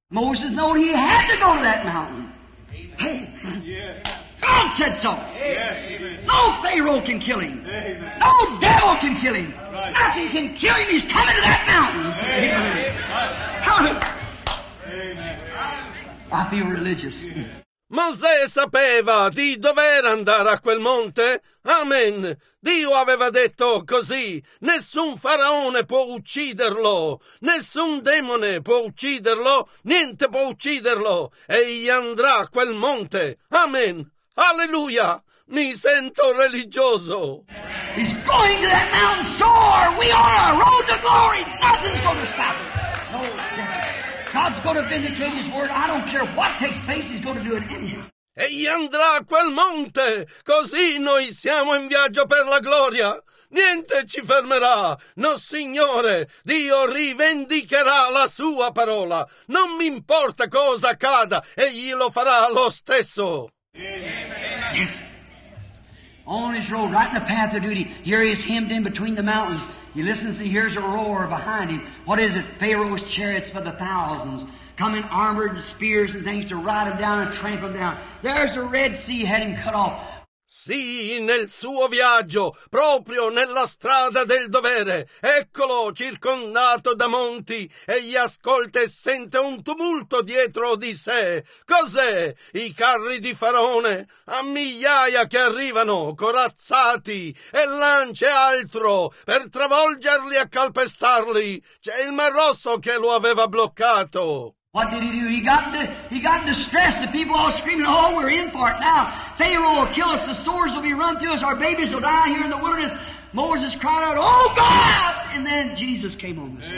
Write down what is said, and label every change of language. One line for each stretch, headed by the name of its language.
English: Moses knew he had to go to that mountain. Hey. Yeah. God said so. Yeah. No Pharaoh can kill him. Amen. No devil can kill him. Nothing can kill him. He's coming to that mountain. Amen. Amen. I feel religious.
Italian: Mosè sapeva di dover andare a quel monte. Amen. Dio aveva detto così. Nessun faraone può ucciderlo. Nessun demone può ucciderlo. Niente può ucciderlo. Egli andrà a quel monte. Amen. Alleluia. Mi sento religioso.
English: He's going to that mountain. So are we. On a road to glory. Nothing's going to stop him. No. God's going to vindicate his word. I don't care what takes place. He's going to do it anyhow.
Italian: Egli andrà a quel monte. Così noi siamo in viaggio per la gloria. Niente ci fermerà. No, Signore, Dio rivendicherà la sua parola. Non mi importa cosa accada. Egli lo farà lo stesso.
English: Yes. On his road, right in the path of duty, here he is hemmed in between the mountains. He listens and hears a roar behind him. What is it? Pharaoh's chariots for the thousands, coming armored with spears and things to ride him down and tramp him down. There's the Red Sea heading cut off.
Italian: Sì, nel suo viaggio, proprio nella strada del dovere, eccolo circondato da monti, e gli ascolta e sente un tumulto dietro di sé. Cos'è? I carri di Faraone, a migliaia che arrivano, corazzati, e lance altro, per travolgerli e calpestarli. C'è il Mar Rosso che lo aveva bloccato.
English: What did he do? He got in distress. The people all screaming, oh, we're in for it now. Pharaoh will kill us. The swords will be run through us. Our babies will die here in the wilderness. Moses cried out, oh, God! And then Jesus came on the scene.